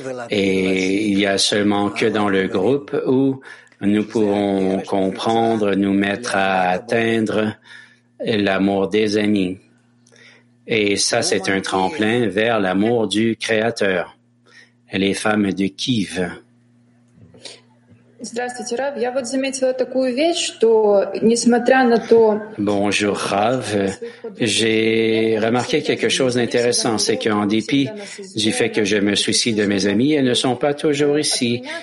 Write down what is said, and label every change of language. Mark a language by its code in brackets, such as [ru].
[fr] Et il n'y a seulement que dans le groupe où nous pouvons comprendre, nous mettre à atteindre l'amour des amis. Et ça, c'est un tremplin vers l'amour du Créateur, les femmes de Kiev. [ru] Здравствуйте, Рав. Я вот заметила такую вещь, что несмотря на то. [fr] Bonjour, Rav. J'ai remarqué quelque chose d'intéressant, c'est qu'en dépit du fait que je me soucie de mes amis, elles ne sont pas toujours ici.